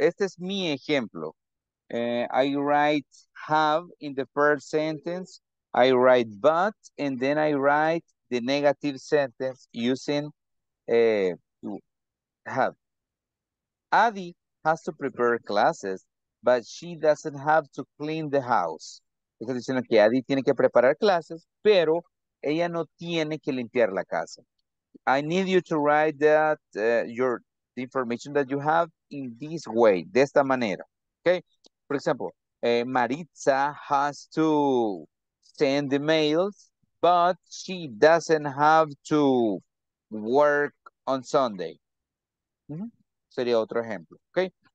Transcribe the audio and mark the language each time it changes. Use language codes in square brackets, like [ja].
[es] Este es mi ejemplo. [en] I write have in the first sentence. I write but, and then I write the negative sentence using have. Adi has to prepare classes, but she doesn't have to clean the house. [es] Está diciendo que Adi tiene que preparar clases, pero ella no tiene que limpiar la casa. [en] I need you to write that the information that you have in this way, [es] de esta manera. [en] Okay? For example, Maritza has to send the mails, but she doesn't have to work on Sunday. Mm-hmm. [es] Sería otro ejemplo. [en] Okay?